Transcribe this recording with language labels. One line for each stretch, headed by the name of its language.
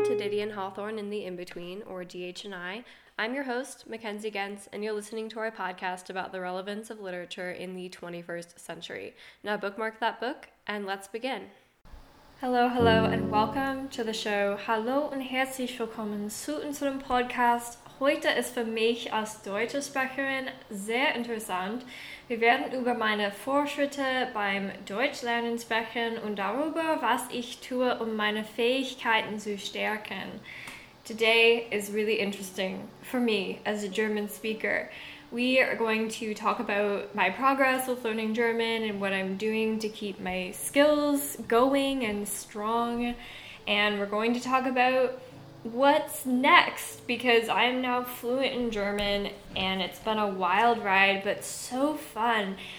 English: Diddy and Hawthorne in the in-between, or DH and I. I'm your host, Mackenzie Gentz, and you're listening to our podcast about the relevance of literature in the 21st century. Now bookmark that book, and let's begin. Hello, hello, and welcome to the show.
German: Hallo und herzlich willkommen zu unserem Podcast. Heute ist für mich als deutsche Sprecherin sehr interessant. Wir werden über meine Fortschritte beim Deutschlernen sprechen und darüber, was ich tue, um meine Fähigkeiten zu stärken.
English: Today is really interesting for me as a German speaker. We are going to talk about my progress with learning German and what I'm doing to keep my skills going and strong. And we're going to talk about what's next, because I am now fluent in German and it's been a wild ride, but so fun.